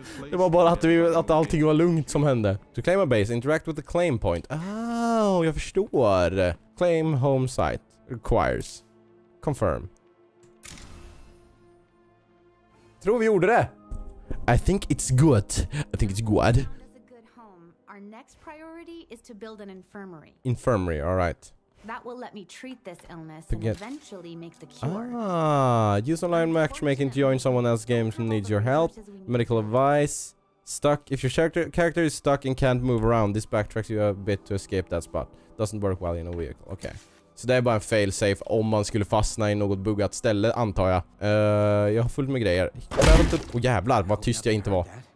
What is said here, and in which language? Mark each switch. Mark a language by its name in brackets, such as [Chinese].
[Swedish] Det var bara att allting var lugnt som hände. [English] To claim a base, interact with the claim point. [Swedish] Oh, jag förstår. [English] Claim home site requires. Confirm. [Swedish] Tror vi gjorde det. [English] I think it's good. I think it's good. Our next priority is to build an infirmary. Infirmary, all right. That will let me treat this illness and eventually make the cure. Ah, use online matchmaking to join someone else's game who needs your help. Medical advice. Stuck. If your character is stuck and can't move around, this backtracks you a bit to escape that spot. Doesn't work well in a vehicle. Okay. [Swedish] Så det är bara en failsafe om man skulle fastna i något buggat ställe, antar jag. Jag har fullt med grejer. Oh, jävlar, vad tyst jag inte var.